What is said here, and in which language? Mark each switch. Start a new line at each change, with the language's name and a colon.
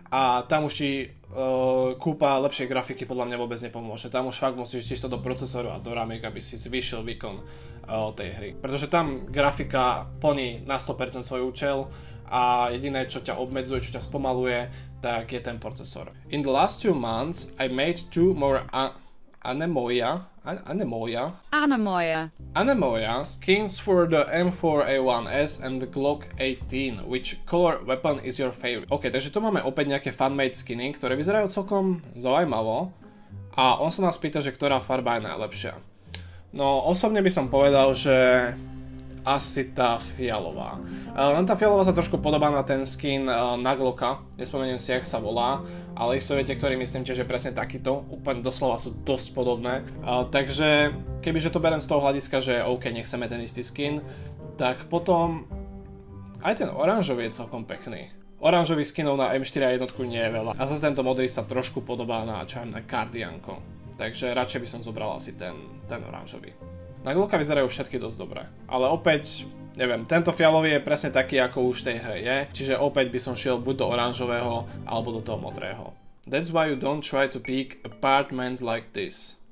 Slovak: A tam už ti kúpa lepšie grafiky podľa mňa vôbec nepomôže. Tam už fakt musíš čisto do procesoru a do ramiek, aby si zvýšil výkon tej hry. Pretože tam grafika plní na 100% svoj účel a jediné, čo ťa obmedzuje, čo ťa spomaluje, tak je ten procesor.
English: In the last two months, I made two more Anemoia skins for the M4A1S and the Glock 18. Which color weapon is your favorite?
Slovak: Ok, takže tu máme opäť nejaké fanmade skiny, ktoré vyzerajú celkom zaujímavo. A on sa nás pýta, že ktorá farba je najlepšia. No, osobne by som povedal, že... asi tá fialová. Len tá fialová sa trošku podobá na ten skin na Glocka. Nespomeniem si, jak sa volá. Ale isto viete, ktorý myslím tiež, že presne takýto. Úplne doslova sú dosť podobné. Takže, kebyže to berem z toho hľadiska, že OK, nechceme ten istý skin, tak potom... aj ten oranžový je celkom pekný. Oranžových skinov na M4 a jednotku nie je veľa. A zase tento modrý sa trošku podobá na čo na Kardianko. Takže radšej by som zobral asi ten oranžový. Na Glocka vyzerajú všetky dosť dobré. Ale opäť, neviem, tento fialový je presne taký, ako už v tej hre je. Čiže opäť by som šiel buď do oranžového, alebo do toho modrého.
English: That's why you don't try to pick apartments like this.